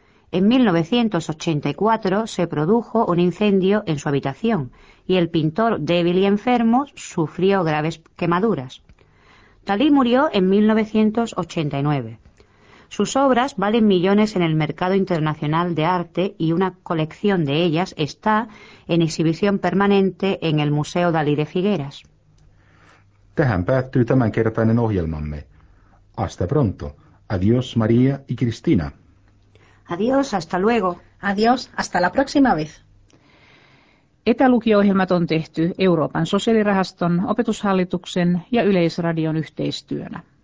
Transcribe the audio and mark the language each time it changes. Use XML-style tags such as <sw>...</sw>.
<es>En 1984 se produjo un incendio en su habitación y el pintor, débil y enfermo, sufrió graves quemaduras. Dalí murió en 1989. Sus obras valen millones en el mercado internacional de arte y una colección de ellas está en exhibición permanente en el Museo Dalí de Figueras.</es> <fi>Tähän päättyy tämänkertainen ohjelmamme.</fi> <es>Hasta pronto. Adiós, María y Cristina. Adiós, hasta luego. Adiós, hasta la próxima vez.</es> <fi>Etälukio-ohjelmat on tehty Euroopan sosiaalirahaston, opetushallituksen ja Yleisradion yhteistyönä.</fi>